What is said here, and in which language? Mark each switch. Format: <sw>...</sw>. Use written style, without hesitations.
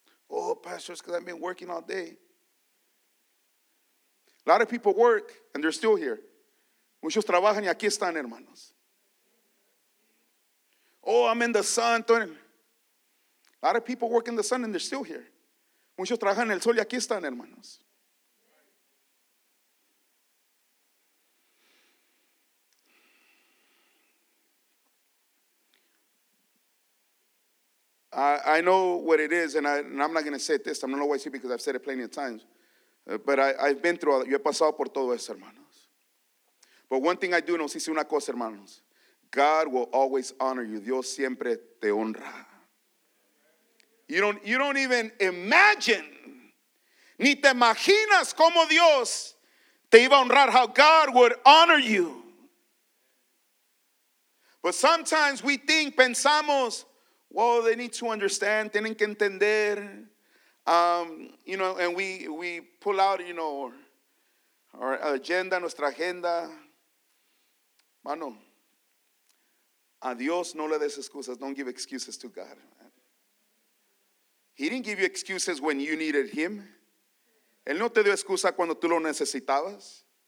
<en>Oh, pastor, it's because I've been working all day. A lot of people work and they're still here.</en> <es>Muchos trabajan y aquí están, hermanos.</es> <en>Oh, I'm in the sun, A lot of people work in the sun and they're still here.</en> <es>Muchos trabajan en el sol y aquí están, hermanos.</es> <en>I know what it is, and I'm not going to say this. I'm not going to say it because I've said it plenty of times. But I've been through all that.</en> <es>Yo he pasado por todo eso, hermanos.</es> <en>But one thing I do know,</en> <es>si sé una cosa, hermanos.</es> <en>God will always honor you.</en> <es>Dios siempre te honra.</es> <en>You don't even imagine.</en> <es>Ni te imaginas cómo Dios te iba a honrar.</es> <en>How God would honor you. But sometimes we think,</en> <es>pensamos,</es> <en>well, they need to understand.</en> <es>Tienen que entender.</es> <en>You know, and we pull out, you know, our agenda,</en> <es>nuestra agenda. Mano, a Dios no le des excusas.</es> <en>Don't give excuses to God. He didn't give you excuses when you needed him.</en> <es>Él no te dio excusa cuando tú lo necesitabas.</es>